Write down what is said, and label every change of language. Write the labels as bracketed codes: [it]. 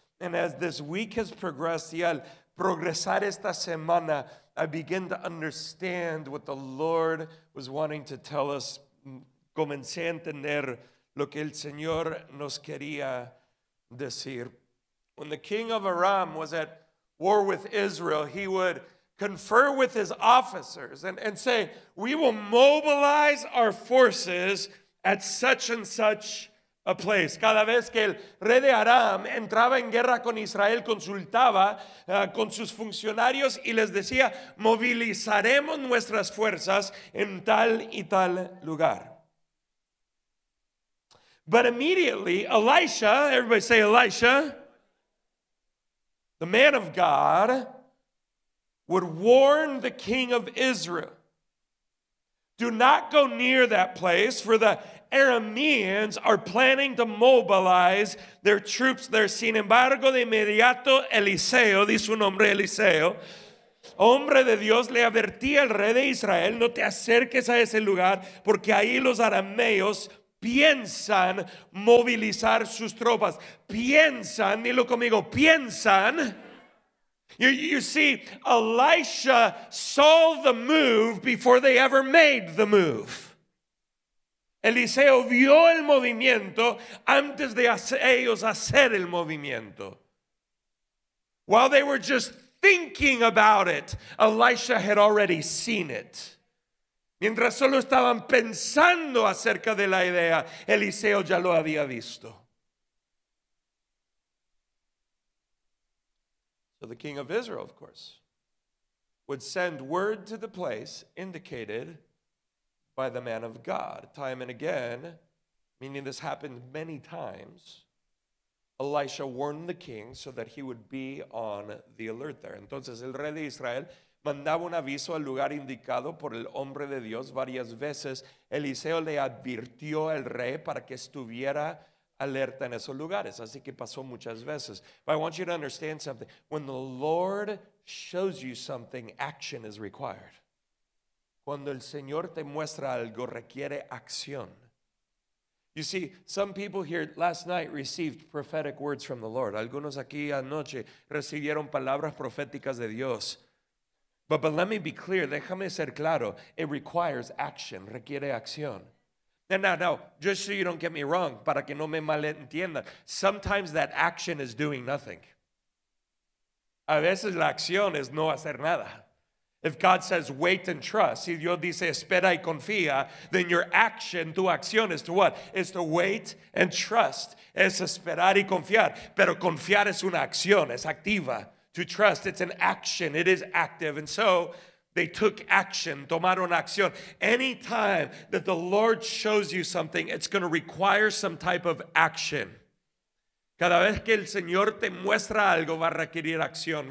[en] And as this week has progressed, [es] y al progresar esta semana, [en] I began to understand what the Lord was wanting to tell us. [es] Comencé a entender lo que el Señor nos quería decir. [en] When the king of Aram was at war with Israel, he would confer with his officers and say, we will mobilize our forces at such and such a place. [es] Cada vez que el rey de Aram entraba en guerra con Israel, consultaba con sus funcionarios y les decía, movilizaremos nuestras fuerzas en tal y tal lugar. [en] But immediately, Elisha, everybody say Elisha, the man of God, would warn the king of Israel, do not go near that place, for the Arameans are planning to mobilize their troops there. [es] Sin embargo, de inmediato, Eliseo, dice su nombre Eliseo, hombre de Dios, le advertía al rey de Israel, no te acerques a ese lugar, porque ahí los arameos piensan movilizar sus tropas. Piensan, dilo conmigo, piensan. [en] You see, Elisha saw the move before they ever made the move. [es] Eliseo vio el movimiento antes de ellos hacer el movimiento. [en] While they were just thinking about it, Elisha had already seen it. [es] Mientras solo estaban pensando acerca de la idea, Eliseo ya lo había visto. [en] So the king of Israel, of course, would send word to the place indicated by the man of God. Time and again, meaning this happened many times, Elisha warned the king so that he would be on the alert there. [es] Entonces el rey de Israel mandaba un aviso al lugar indicado por el hombre de Dios varias veces. Eliseo le advirtió al rey para que estuviera alerta en esos lugares. Así que pasó muchas veces. [en] But I want you to understand something. When the Lord shows you something, action is required. [es] Cuando el Señor te muestra algo, requiere acción. [en] You see, some people here last night received prophetic words from the Lord. [es] Algunos aquí anoche recibieron palabras proféticas de Dios. [en] But let me be clear, [es] déjame ser claro, [en] it requires action, [es] requiere acción. [en] Now, just so you don't get me wrong, [es] para que no me malentiendan, [en] sometimes that action is doing nothing. [es] A veces la acción es no hacer nada. [en] If God says wait and trust, [es] si Dios dice espera y confía, [en] then your action, [es] tu acción [en] is to what? Is to wait and trust, [es] es esperar y confiar, pero confiar es una acción, es activa. [en] To trust, it's an action, it is active. And so they took action, [es] tomaron acción. [en] Anytime that the Lord shows you something, it's going to require some type of action. [es] Cada vez que el Señor te muestra algo, va a requerir acción.